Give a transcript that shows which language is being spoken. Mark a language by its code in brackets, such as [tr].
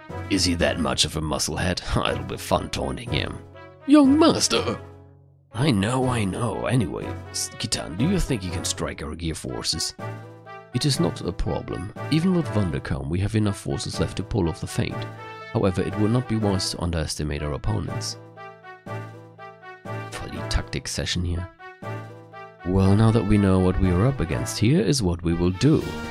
[en] Is he that much of a musclehead? It'll be fun taunting him. Young master! I know. Anyway, Kitan, do you think you can strike our gear forces? It is not a problem. Even with Wunderkaum, we have enough forces left to pull off the feint. However, it would not be wise to underestimate our opponents. [de] Voll die Taktik Session hier. [en] Well, now that we know what we are up against, here is what we will do.